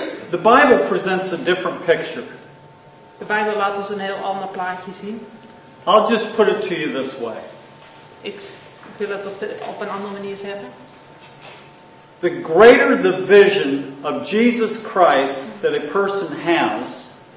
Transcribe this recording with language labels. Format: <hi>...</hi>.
<en>The Bible presents a different picture.</en> <nl>De Bijbel laat ons een heel ander plaatje zien.</nl> <en>I'll just put it to you this way.</en> <nl>Ik wil het op een andere manier zeggen.</nl> <en>The greater the vision of Jesus Christ that a person has,</en>